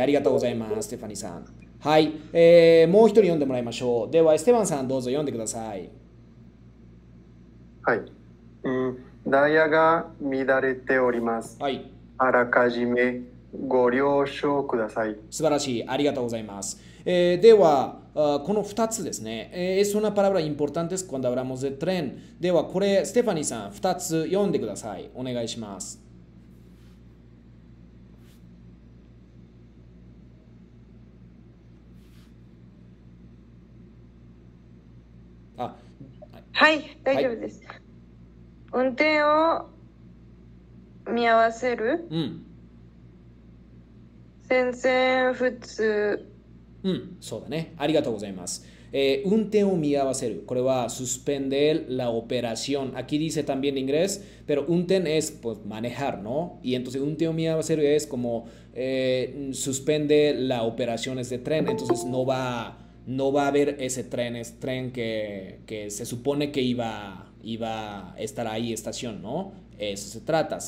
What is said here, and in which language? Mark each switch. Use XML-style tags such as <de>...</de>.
<ja>ありがとうございます、ステファニーさん。はい、もう一人読んでもらいましょう。では、ステファンさん、どうぞ読んでください。はい、ダイヤが乱れております。はい、あらかじめご了承ください。素晴らしい、ありがとうございます。ではこの2つですね、</ja> <es>es una palabra importante cuando hablamos de tren。</es> <ja>ではこれ、ステファニーさん2つ読んでください、お願いします。あ、はい、はい、大丈夫です。運転を見合わせる、うん、全然普通。うん、そうだね。ありがとうございます。運転を見合わせる。これは、</ja> <es>suspender la operación。 Aquí dice también en inglés, pero 運転 es pues, manejar, ¿no? Y entonces,</es> <ja>運転を見合わせる</ja> <es>es como、suspender la operación de tren. Entonces, no va a haber ese tren, que se supone que iba a estar ahí, estación, ¿no? Eso se trata.</es>